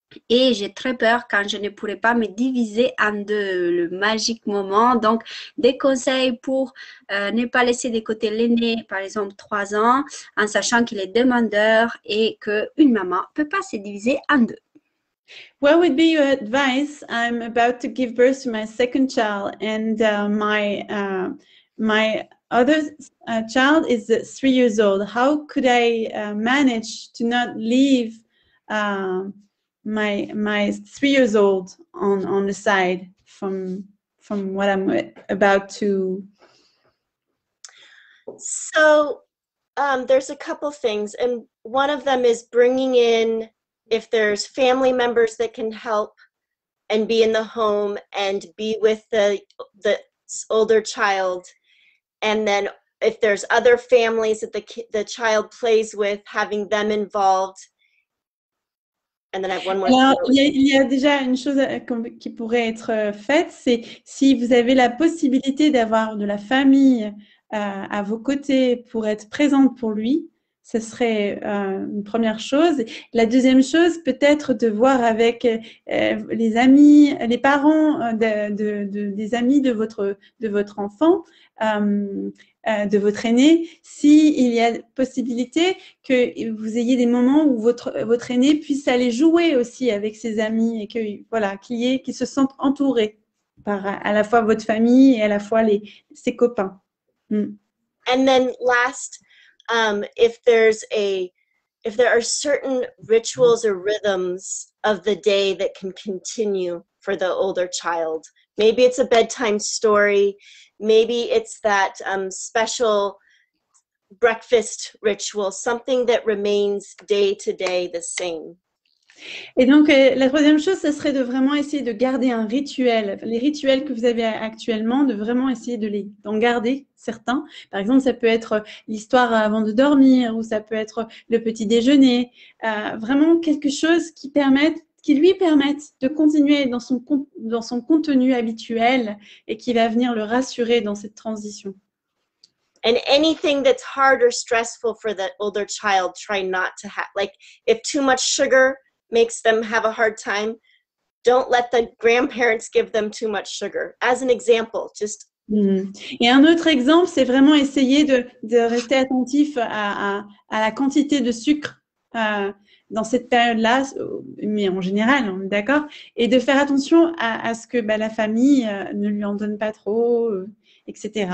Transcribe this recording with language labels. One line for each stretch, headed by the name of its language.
French: Et j'ai très peur quand je ne pourrai pas me diviser en deux, le magique moment. Donc, des conseils pour ne pas laisser de côté l'aîné, par exemple 3 ans, en sachant qu'il est demandeur et qu'une maman ne peut pas se diviser en deux.
English: What would be your advice? I'm about to give birth to my second child and my other child is 3 years old. How could I manage to not leave my 3 years old on the side from what I'm about to? So there's a couple things, and one of them is bringing in, if there's family members that can help and be in the home and be with the older child, and then if there's other families that the child plays with, having them involved. And then I have one more.
French: Alors, il y a déjà une chose qui pourrait être faite, c'est si vous avez la possibilité d'avoir de la famille à vos côtés pour être présente pour lui. Ce serait une première chose. La deuxième chose, peut-être de voir avec les amis, les parents des amis de votre enfant, de votre aîné, s'il y a possibilité que vous ayez des moments où votre aîné puisse aller jouer aussi avec ses amis et que voilà, qu'il se sente entouré par à la fois votre famille et à la fois ses copains.
English: And then last, if there are certain rituals or rhythms of the day that can continue for the older child, maybe it's a bedtime story, maybe it's that special breakfast ritual, something that remains day to day the same.
French: Et donc, la troisième chose, ce serait de vraiment essayer de garder un rituel. Les rituels que vous avez actuellement, de vraiment essayer d'en garder certains. Par exemple, ça peut être l'histoire avant de dormir, ou ça peut être le petit déjeuner. Vraiment quelque chose qui permette, qui lui permettent de continuer dans son contenu habituel et qui va venir le rassurer dans cette transition.
English: And anything that's hard or stressful for the older child, try not to have. Like, if too much sugar makes them have a hard time, don't let the grandparents give them too much sugar. As an example, just... Mm.
French: Et un autre exemple, c'est vraiment essayer de rester attentif à la quantité de sucre dans cette période-là, mais en général, on est d'accord, et de faire attention à ce que la famille ne lui en donne pas trop, etc.